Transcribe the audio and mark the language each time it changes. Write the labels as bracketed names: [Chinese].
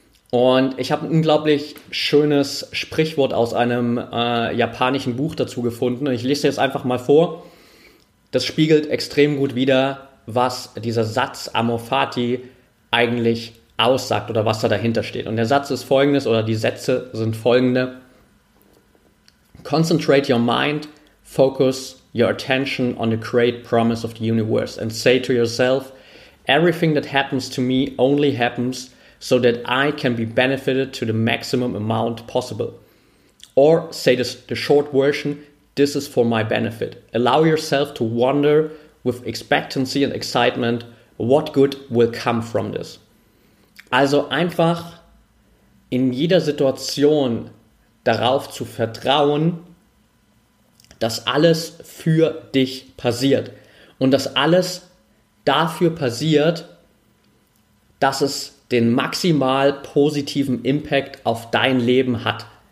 [German] Und ich habe ein unglaublich schönes Sprichwort aus einem japanischen Buch dazu gefunden. Und ich lese es jetzt einfach mal vor. Das spiegelt extrem gut wider, was dieser Satz Amor Fati eigentlich aussagt oder was da dahinter steht. Und der Satz ist folgendes oder die Sätze sind folgende. [English] Concentrate your mind, focus your attention on the great promise of the universe and say to yourself, everything that happens to me only happens so that I can be benefited to the maximum amount possible. Or say this, the short version, this is for my benefit. Allow yourself to wonder with expectancy and excitement, what good will come from this? [German] Also einfach in jeder Situation darauf zu vertrauen, dass alles für dich passiert. Und dass alles dafür passiert, dass es den maximal positiven Impact auf dein Leben hat.